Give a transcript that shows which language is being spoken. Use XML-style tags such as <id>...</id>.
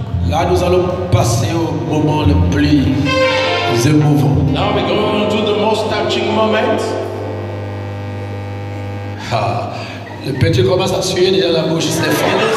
<fr>Là, nous allons passer au moment le plus.</fr> <en>Now we're going on to the most touching moment. Ha.</en> <fr>Le petit commence à suer déjà la bouche, c'est fort.</fr>